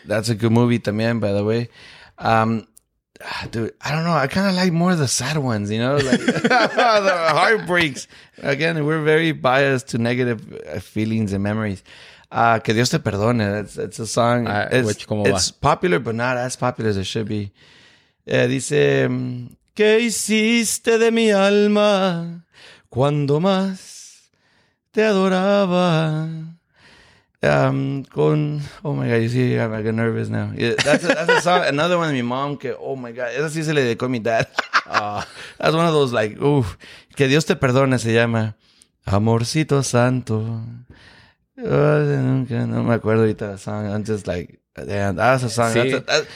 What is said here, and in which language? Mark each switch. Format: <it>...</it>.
<en>That's a good movie</en> <es>también,</es> <en>by the way. Dude, I don't know. I kind of like more of the sad ones, you know? Like, the heartbreaks. Again, we're very biased to negative feelings and memories.</en> <es>Que Dios te perdone.</es> <en>It's a song. It's popular, but not as popular as it should be.</en> <es>Yeah, dice... ¿Qué hiciste de mi alma cuando más te adoraba?</es> <en>Oh my God, you see, I'm like nervous now. Yeah, that's a song, another one of my mom, que, oh my God,</en> <es>esa sí se le dedicó a mi dad.</es> <en>That's one of those, like,</en> <es>uff, que Dios te perdone, se llama Amorcito Santo. Nunca, no me acuerdo ahorita de la</es> <en>song, I'm just like, damn, that's a song.</en> <es>Sí.</es>